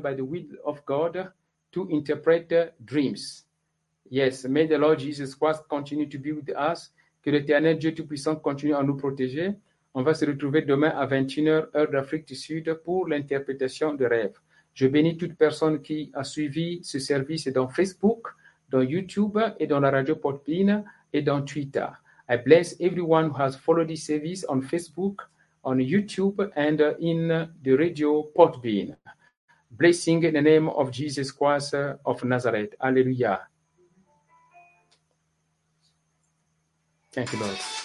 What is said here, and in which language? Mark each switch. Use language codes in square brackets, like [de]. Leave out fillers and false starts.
[en] by the will of God to interpret dreams. Yes, may the Lord Jesus Christ continue to be with us. [fr] Que l'Éternel Dieu Tout-Puissant continue à nous protéger. On va se retrouver demain à 21h, heure d'Afrique du Sud, pour l'interprétation de rêves. Je bénis toute personne qui a suivi ce service dans Facebook, dans YouTube et dans la radio Podbean et dans Twitter. [en] I bless everyone who has followed this service on Facebook, on YouTube and in the radio Podbean. Blessing in the name of Jesus Christ of Nazareth. Alleluia. Thank you, Lord.